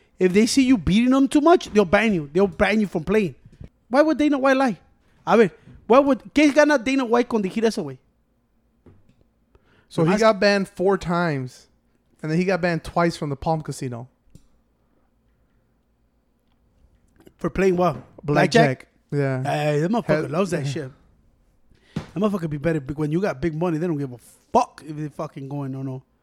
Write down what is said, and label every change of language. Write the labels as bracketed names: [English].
[English] If they see you beating them too much, they'll ban you. They'll ban you from playing. Why would Dana White lie? [Spanish] A ver, ¿qué gana Dana White con dijir eso, güey? [English] So he got banned 4 times. And then he got banned twice from the Palm Casino. For playing what? Blackjack. Yeah. Hey, that motherfucker loves that shit. That motherfucker be better when you got big money. They don't give a fuck if they fucking going or no.